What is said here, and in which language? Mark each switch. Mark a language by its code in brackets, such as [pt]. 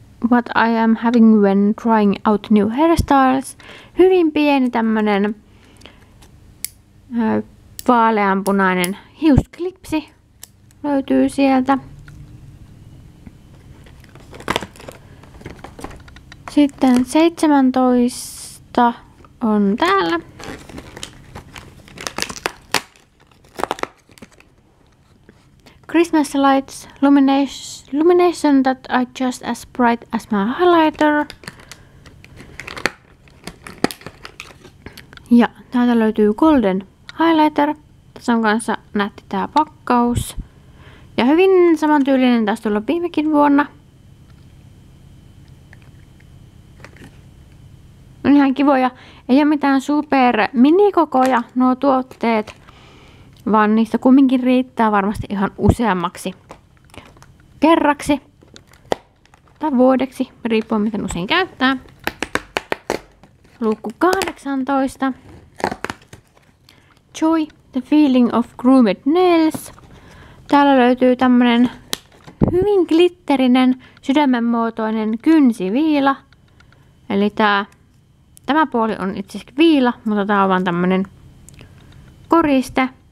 [en] What I am having when trying out new hairstyles. [fi] Hyvin pieni tämmönen vaaleanpunainen hiusklipsi löytyy sieltä. Sitten 17 on täällä. [en] Christmas lights, lumination that are just as bright as my highlighter. [fi] Ja täältä löytyy golden highlighter. Tässä on kanssa nätti tää pakkaus. Ja hyvin samantyylinen taas tullut viimekin vuonna. On ihan kivoja. Ei ole mitään super minikokoja nuo tuotteet. Vaan niistä kumminkin riittää varmasti ihan useammaksi kerraksi tai vuodeksi, riippuen miten usein käyttää. Luukku 18. [en] Joy, the feeling of groomed nails. [fi] Täällä löytyy tämmönen hyvin glitterinen sydämenmuotoinen kynsiviila. Eli tämä puoli on itse asiassa viila, mutta tää on vaan tämmönen koriste.